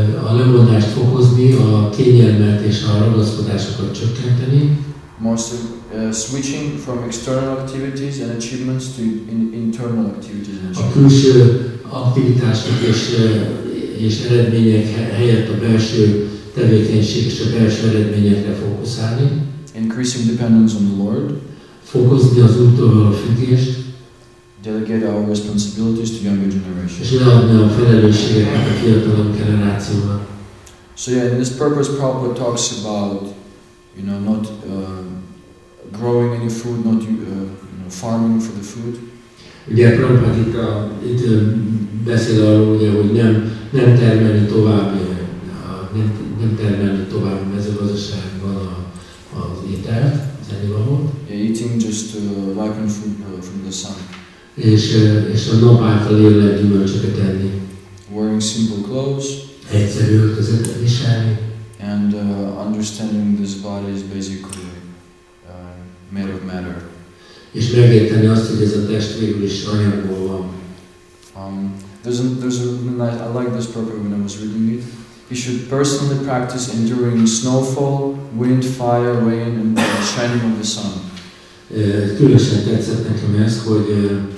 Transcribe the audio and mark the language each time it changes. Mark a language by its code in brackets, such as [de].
[hu] A lemondást fokozni, a kényelmet és a ragaszkodásokat csökkenteni. [en] Switching from external activities and achievements to internal activities and achievements. [hu] A külső aktivitások és eredmények helyett a belső tevékenység és a belső eredményekre fókuszálni. [en] Increasing dependence on the Lord. [hu] Fokozni az Úrtól való függést. [en] Delegate our responsibilities to younger generation. [hu] És leadni a felelősségeket a fiatalabb generációval. [en] So yeah, in this purpose Prabhupada talks about, you know, not growing any food, not farming for the food. [hu] Ugye Prabhupada itt beszél arról, ugye, hogy nem termelni tovább, nem termelni tovább a mezőgazdaságban az ételt, az ennivalót. [en] Eating just ripened food from the sun. [hu] és a nap által élet gyümölcsöket enni. [en] Wearing simple clothes. [hu] Egyszerű öltözetet viselni. [en] And understanding this body is basically made of matter. [hu] És megérteni azt, hogy ez a test végül is anyagból van. [en] I like this proverb when I was reading it. You should personally practice enduring snowfall, wind, fire, rain, and the shining of the sun. [hu] Különösen tetszett nekem ez, hogy